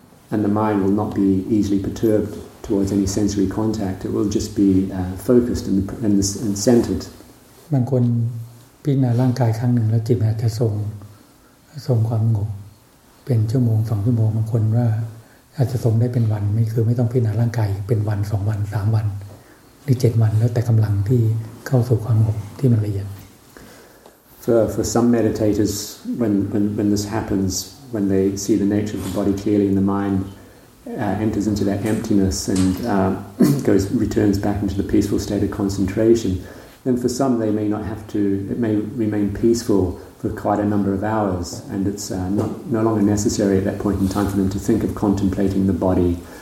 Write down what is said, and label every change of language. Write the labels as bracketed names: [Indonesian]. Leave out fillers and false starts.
[English] And the mind will not be easily perturbed towards any sensory contact. It will just be focused and centered. [Thai] บางคนพิจารณาร่างกายครั้งหนึ่งแล้วจิตอาจจะทรงความสงบเป็นชั่วโมง2ชั่วโมงบางคนว่าอาจจะทรงได้เป็นวันไม่คือไม่ต้องพิจารณาร่างกายเป็นวัน2วัน3วันหรือ7วันแล้วแต่กำลังที่เข้าสู่ความสงบที่มันละเอียด [English] For some meditators when this happens when they see the nature of the body clearly in the mindenters into that emptiness and returns back into the peaceful state of concentrationthen for some they may not have to, it may remain peaceful for quite a number of hours and it's no longer necessary at that point in time for them to think of contemplating the body.